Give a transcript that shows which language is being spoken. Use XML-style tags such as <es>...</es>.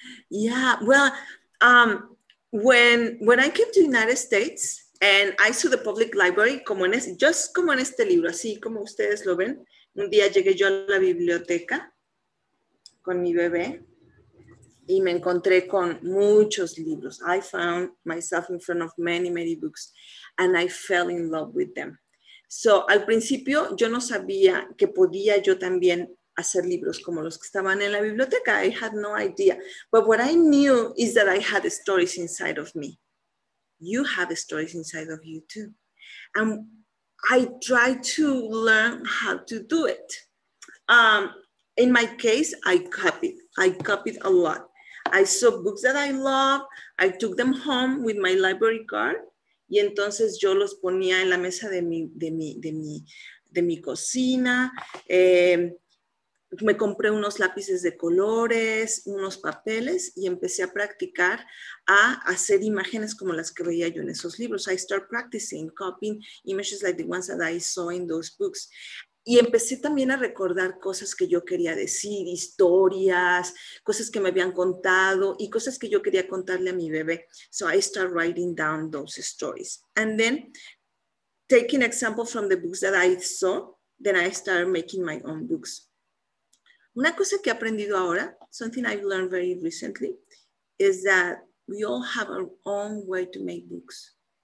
<en>Yeah, well, when I came to the United States and I saw the public library,</en> <es>como en este, just como en este libro, así como ustedes lo ven, un día llegué yo a la biblioteca con mi bebé y me encontré con muchos libros.</es> <en>I found myself in front of many, many books and I fell in love with them.</en> <es>So, al principio yo no sabía que podía yo también hacer libros como los que estaban en la biblioteca.</es> <en>I had no idea. But what I knew is that I had stories inside of me. You have stories inside of you too. And I tried to learn how to do it. In my case, I copied. I copied a lot. I saw books that I love. I took them home with my library card.</en> <es>Y entonces yo los ponía en la mesa de mi cocina. Me compré unos lápices de colores, unos papeles, y empecé a practicar a hacer imágenes como las que veía yo en esos libros.</es> <en>I start practicing, copying images like the ones that I saw in those books.</en> <es>Y empecé también a recordar cosas que yo quería decir, historias, cosas que me habían contado y cosas que yo quería contarle a mi bebé.</es> <en>So I start writing down those stories. And then, taking examples from the books that I saw, then I started making my own books.</en> <es>Una cosa que he aprendido ahora,</es> <en>something I've learned very recently, is that we all have our own way to make books.</en>